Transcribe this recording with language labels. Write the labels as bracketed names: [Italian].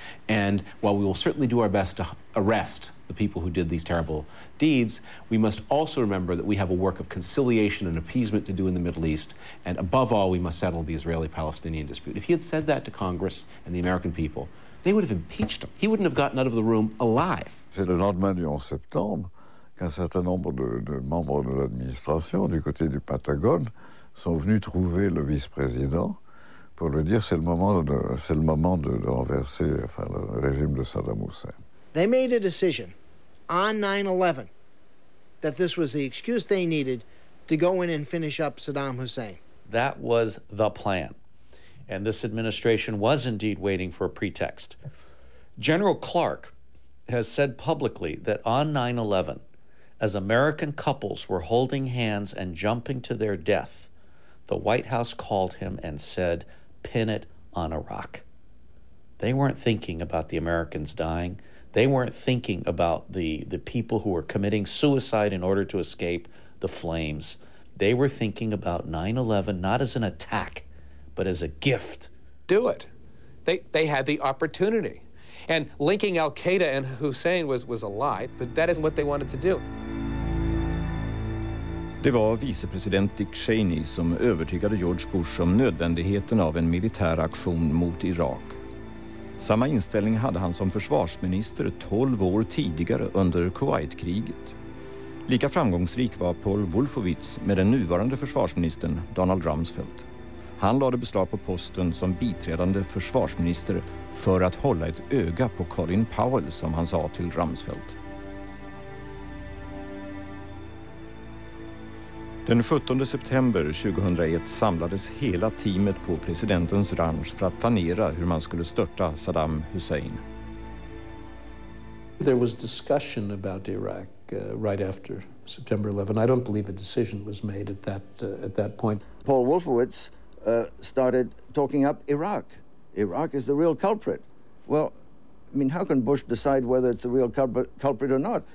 [English] And while we will certainly do our best to arrest the people who did these terrible deeds, we must also remember that we have a work of conciliation and appeasement to do in the Middle East, and above all, we must settle the Israeli-Palestinian dispute. If he had said that to Congress and the American people, they would have impeached him. He wouldn't have gotten out of the room alive. [French] C'est le lendemain du 11 septembre qu'un certain nombre de membres de l'administration du côté du Pentagone sont venus trouver le vice-président pour lui dire c'est le moment de renverser enfin, le régime de Saddam Hussein. [English] They made a decision on 9/11 that this was the excuse they needed to go in and finish up Saddam Hussein. That was the plan. And this administration was indeed waiting for a pretext. General Clark has said publicly that on 9/11, as American couples were holding hands and jumping to their death, the White House called him and said, "Pin it on Iraq." They weren't thinking about the Americans dying. They weren't thinking about the people who were committing suicide in order to escape the flames. They were thinking about 9/11 not as an attack, but as a gift. Do it. They had the opportunity. And linking al-Qaeda and Hussein was a lie, but that isn't what they wanted to do. [Swedish] Det var vicepresident Dick Cheney som övertygade George Bush om nödvändigheten av en militär aktion mot Irak. Samma inställning hade han som försvarsminister 12 år tidigare under Kuwaitkriget. Lika framgångsrik var Paul Wolfowitz med den nuvarande försvarsministern Donald Rumsfeld. Han lade beslag på posten som biträdande försvarsminister för att hålla ett öga på Colin Powell, som han sa till Rumsfeld. Den 17 september 2001 samlades hela teamet på presidentens ranch för att planera hur man skulle störta Saddam Hussein. [English] There was discussion about Iraq right after September 11. I don't believe a decision was made at that point. Paul Wolfowitz started talking up Iraq. Iraq is the real culprit. Well, I mean, how can Bush decide whether it's the real culprit or not?